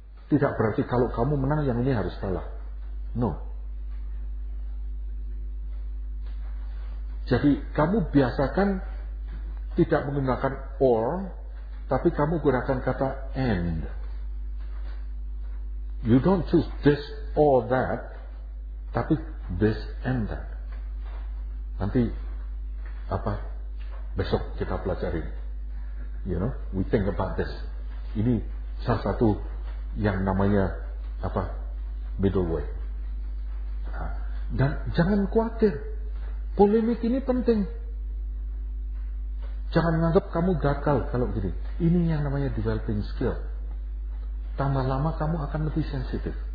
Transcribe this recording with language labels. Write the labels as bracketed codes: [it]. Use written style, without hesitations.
[id] Tidak berarti kalau kamu menang yang ini harus kalah. No. Jadi kamu biasakan tidak menggunakan or, tapi kamu gunakan kata and. [en] You don't choose this or that, tapi this and that. [id] Nanti apa? Besok kita pelajari. [en] You know, we think about this. [id] Ini salah satu yang namanya apa? Middle way. Dan jangan khawatir. Polemik ini penting. Jangan menganggap kamu gagal kalau gini. Ini yang namanya developing skill. Tambah lama kamu akan lebih sensitif.